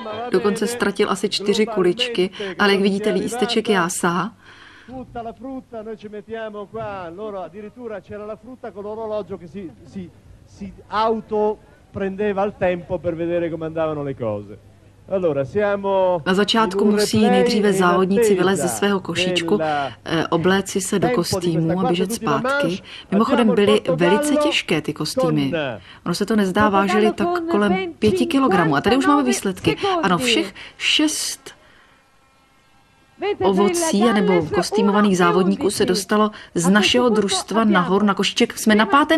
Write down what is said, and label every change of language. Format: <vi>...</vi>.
<cs>Dokonce ztratil asi 4 kuličky, ale jak vidíte, lísteček jásá.</cs> <it>Tutta la frutta noi ci mettiamo qua, loro addirittura c'era la frutta con l'orologio che si auto prendeva il tempo per vedere come andavano le cose. Allora, siamo</it> <cs>na začátku musí nejdříve závodníci vylézt ze svého košíčku, obléct si se do kostýmu a běžet zpátky. Mimochodem byly velice těžké ty kostýmy. Ono se to nezdá, vážily tak kolem 5 kilogramů. A tady už máme výsledky. Ano, všech 6 ovocí nebo kostýmovaných závodníků se dostalo z našeho družstva nahoru na košíček. Jsme na 5.</cs>